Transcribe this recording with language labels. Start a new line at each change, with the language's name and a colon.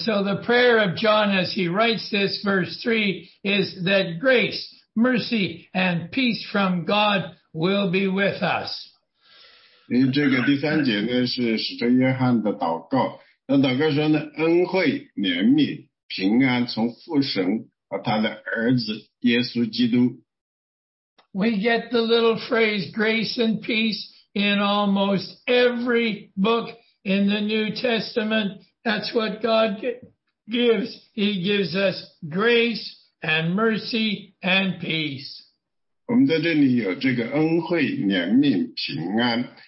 English: so the prayer of John as he writes this verse 3 is that grace, mercy, and peace from God will be with us.
Chinese: 因为这个第三节呢，是使徒约翰的祷告。那祷告说呢，恩惠、怜悯、平安从父神和他的儿子耶稣基督。
English: We get the little phrase grace and peace in almost every book in the New Testament. That's what God gives. He gives us grace and mercy and peace.
Chinese: 我们在这里有这个恩惠、怜悯、平安。